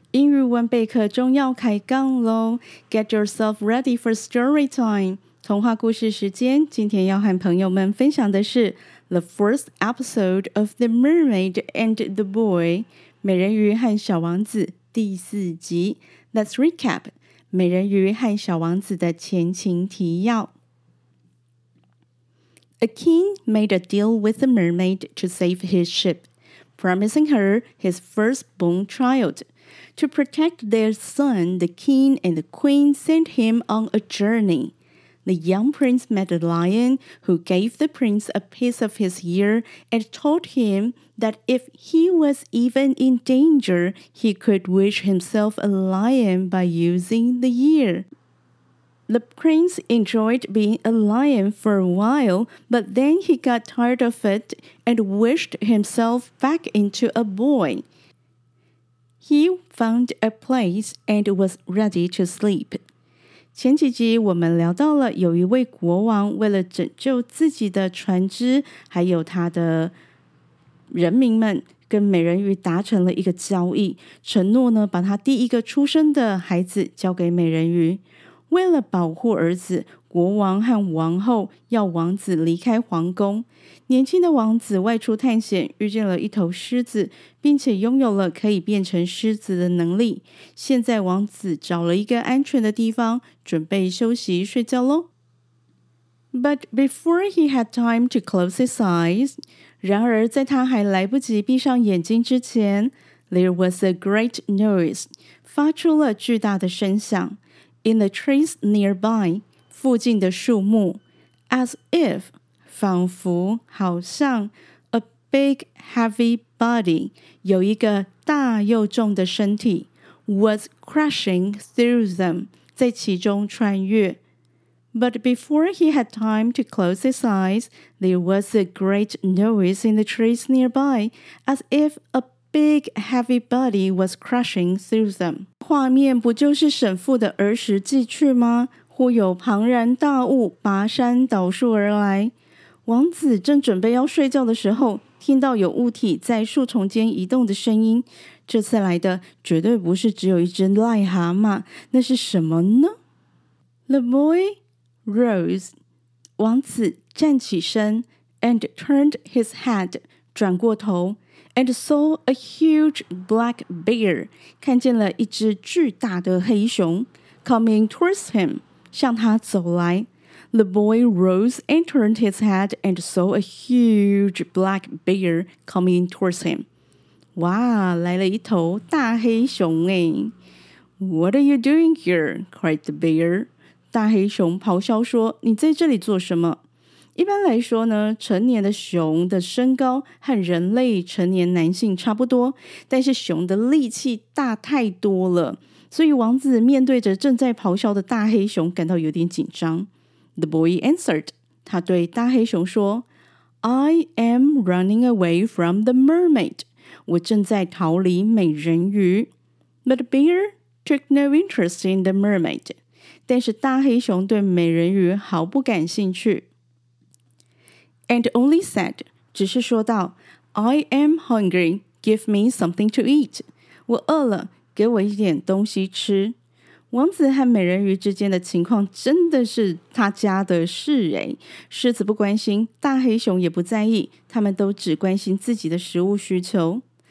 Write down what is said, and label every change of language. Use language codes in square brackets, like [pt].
[zh] 英语文备课终要开杠咯。 [en] Get yourself ready for story time. [zh] 童话故事时间，今天要和朋友们分享的是 [en] The first episode of The Mermaid and the Boy. [zh] 美人鱼和小王子第四集。 [en] Let's recap. [zh] 美人鱼和小王子的前情提要。 [en] A king made a deal with the mermaid to save his ship. Promising her his firstborn child. To protect their son, the king and the queen sent him on a journey. The young prince met a lion who gave the prince a piece of his ear and told him that if he was even in danger, he could wish himself a lion by using the ear. The prince enjoyed being a lion for a while, but then he got tired of it and wished himself back into a boy. He found a place and was ready to sleep. [zh] 前几集我们聊到了有一位国王为了拯救自己的船只还有他的人民们跟美人鱼达成了一个交易，承诺呢把他第一个出生的孩子交给美人鱼。为了保护儿子，国王和王后要王子离开皇宫。年轻的王子外出探险，遇见了一头狮子，并且拥有了可以变成狮子的能力。现在王子找了一个安全的地方，准备休息睡觉咯。 [en] But before he had time to close his eyes, [zh] 然而在他还来不及闭上眼睛之前， [en] there was a great noise, [zh] 发出了巨大的声响。 [en] In the trees nearby, [zh] 附近的树木, [en] as if, [zh] 仿佛,好像, [en] a big heavy body, [zh] 有一个大又重的身体, [en] was crashing through them, [zh] 在其中穿越。 [en] But before he had time to close his eyes, there was a great noise in the trees nearby, as if a big heavy body was crashing through them. [zh] 画面不就是沈父的儿时记趣吗？忽有庞然大物拔山倒树而来。王子正准备要睡觉的时候，听到有物体在树丛间移动的声音。这次来的绝对不是只有一只癞蛤蟆，那是什么呢？ [en] The boy rose. [zh] 王子站起身 [en] and turned his head, [zh] 转过头。 [en] And saw a huge black bear, [zh] 看见了一只巨大的黑熊 [en] coming towards him, [zh] 向他走来。 [en] The boy rose and turned his head and saw a huge black bear coming towards him. [zh] 哇，来了一头大黑熊耶。 [en] What are you doing here? Cried the bear. [zh] 大黑熊咆哮说，你在这里做什么？一般来说呢，成年的熊的身高和人类成年男性差不多，但是熊的力气大太多了，所以王子面对着正在咆哮的大黑熊感到有点紧张。 [en] The boy answered, [zh] 他对大黑熊说 [en] I am running away from the mermaid, [zh] 我正在逃离美人鱼。 [en] But the bear took no interest in the mermaid, [zh] 但是大黑熊对美人鱼毫不感兴趣。 [en] And only said, [zh] 只是说道 [en] I am hungry, give me something to eat. [zh] 我饿了，给我一点东西吃。王子和美人鱼之间的情况真的是他家的事耶。狮子不关心，大黑熊也不在意，他们都只关心自己的食物需求。